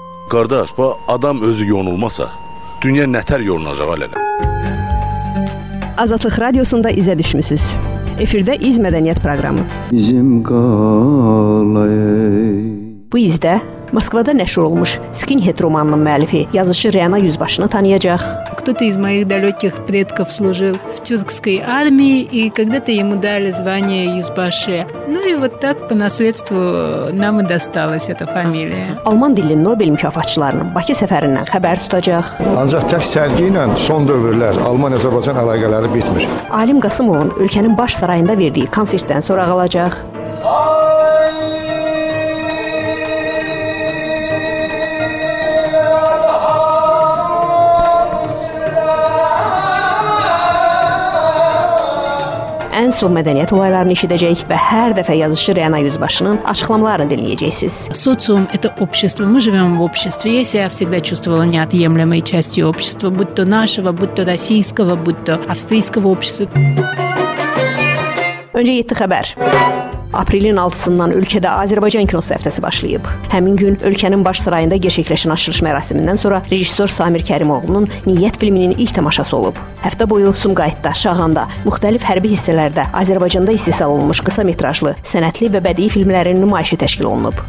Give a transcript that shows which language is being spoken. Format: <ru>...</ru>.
<az>Qardaş, bu adam özü yonulmasa, dünya nətər yonulacaq hələ. Azadlıq Radiosunda izə düşmüsünüz. Efirdə İz Mədəniyyət proqramı. Bizim qalay. Bu izdə Moskvada nəşr olmuş Skinhead romanının müəllifi, yazıcı Rəna Yüzbaşını tanıyacaq.</az> <ru>Кто-то из моих далеких предков служил в тюркской армии, и когда-то ему дали звание Юзбаши. Ну и вот так по наследству нам и досталась эта фамилия.</ru> <az>Алман дилли Нобель мükafatçılarının Bakı səfərindən xəbər tutacaq. Ancaq tək sərgi ilə son dövrlər Alman-Azərbaycan əlaqələri bitmir. Alim Qasımovun ölkənin baş sarayında verdiyi konsertdən sonra qalacaq. Ən son mədəniyyət olaylarını eşidəcək və hər dəfə yazışı Rəna Yüzbaşının açıqlamalarını dinləyəcəksiniz.</az> <ru>Sosium – это общество. Мы живем в обществе. Я себя всегда чувствовала неотъемлемой частью общества, будь то нашего, будь то российского, будь то австрийского общества.</ru> <az>Öncə 7 xəbər. Aprelin 6-sından ölkədə Azərbaycan kinosu həftəsi başlayıb. Həmin gün ölkənin baş sarayında gerçəkləşən açılış mərasimindən sonra rejissor Samir Kərimoğlunun Niyyət filminin ilk tamaşası olub. Həftə boyu Sumqayıtda, Şağanda, müxtəlif hərbi hissələrdə Azərbaycanda istehsal olunmuş qısa metrajlı, sənətli və bədii filmlərin nümayişi təşkil olunub.</az>